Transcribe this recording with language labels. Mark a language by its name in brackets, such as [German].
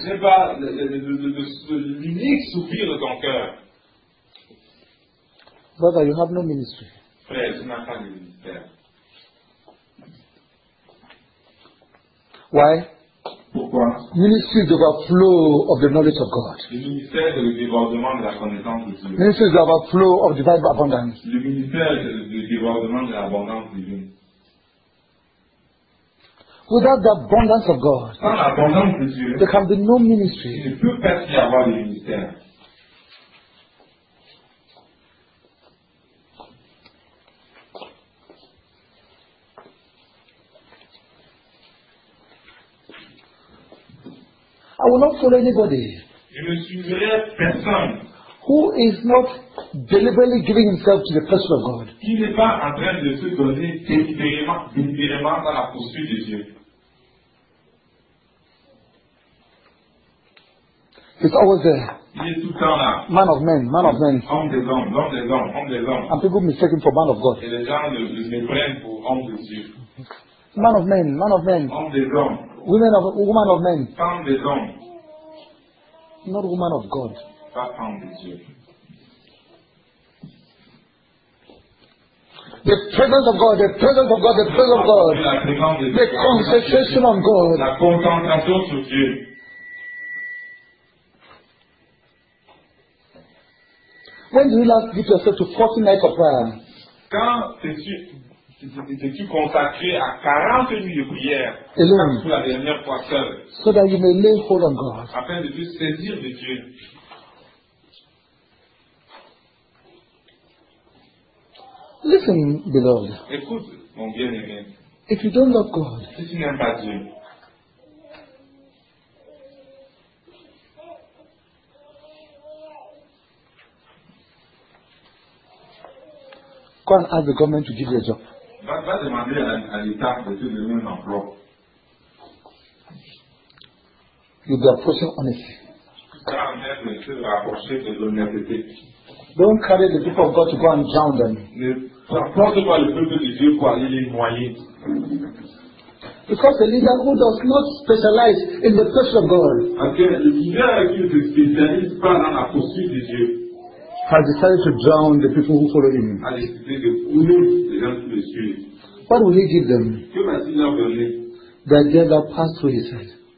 [French] n'est pas l'unique soupir de ton cœur. [English] Brother, you have no ministry. [French] Frère, tu n'as pas de ministère. [English] Why? [French] Pourquoi? [English] Ministry is the overflow of the knowledge of God. [French] Le ministère est le débordement de la connaissance de Dieu. [English] Ministry is the overflow of divine abundance. [French] Le ministère est le débordement de l'abondance divine. [English] Without the abundance of God, [French] sans l'abondance de Dieu, [English] there can be no ministry. [French] Il ne peut pas y avoir de ministère. [English] I will not follow anybody who is not deliberately giving himself to the pursuit of God. [French] Il n'est pas en train de se donner délibérément dans la poursuite de Dieu. [English] He's always there. [French] Il est tout le temps là. [English] Man of men, man of men. [French] Homme des hommes, homme des hommes, homme des hommes. [English] And people mistake him for man of God. [French] Et les gens le méprennent pour homme de Dieu. [English] Man of men, man of men. [French] Homme des hommes. [English] Women of woman of men. [French] Femme des hommes. [English] Not woman of God. [French] Pas femme de Dieu. [English] The presence of God, the presence of God, the presence of God. The concentration on God. [French] La concentration sur Dieu. [English] When do you last give yourself to 40 nights of prayer? [French] Quand t'es-tu consacré à 40 nuits de prière pour la dernière fois seul, [English] so that you may lay hold on God. [French] Afin de te saisir de Dieu. [English] Listen, beloved. [French] Écoute, mon bien-aimé. [English] If you don't love God, [French] si tu n'aimes pas Dieu, [English] go and ask the government to give you a job. [French] Va demander à l'État de te donner un emploi. [English] You'll be approaching honesty. [French] Tu vas même se rapprocher de l'honnêteté. [English] Don't carry the people of God to go and drown them. [French] Ne transporte pas le peuple de Dieu pour aller les noyer. [English] Because the leader who does not specialize in the pursuit of God. [French] Parce que le leader qui ne se spécialise pas dans la poursuite de Dieu. [English] Has decided to drown the people who follow him. What will he give them? The idea that passed through his head.